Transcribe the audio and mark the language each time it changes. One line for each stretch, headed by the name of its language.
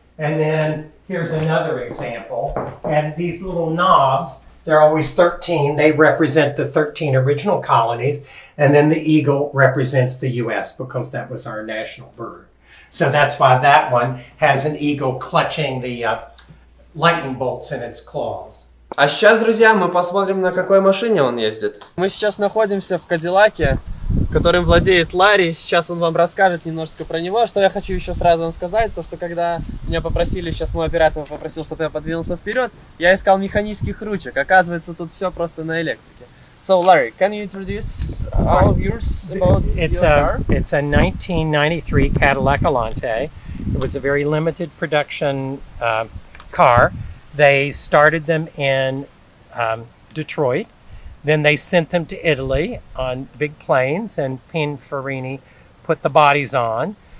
English: And then here's another example. And these little knobs, they're always 13. They represent the 13 original colonies. And then the eagle represents the US because that was our national bird. So that's why that one has an eagle clutching the lightning bolts in its claws.
Russian: А сейчас, друзья, мы посмотрим, на какой машине он ездит. Мы сейчас находимся в Кадиллаке, которым владеет Ларри. Сейчас он вам расскажет немножечко про него. Что я хочу еще сразу вам сказать, то что когда меня попросили, сейчас мой оператор попросил, чтобы я подвинулся вперед, я искал механических ручек. Оказывается, тут все просто на электрике.
English: So, Larry, can you introduce all of yours about it's your car? It's a 1993 Cadillac Elante. It was a very limited production car. They started them in Detroit, then they sent them to Italy on big planes, and Pininfarina put the bodies on.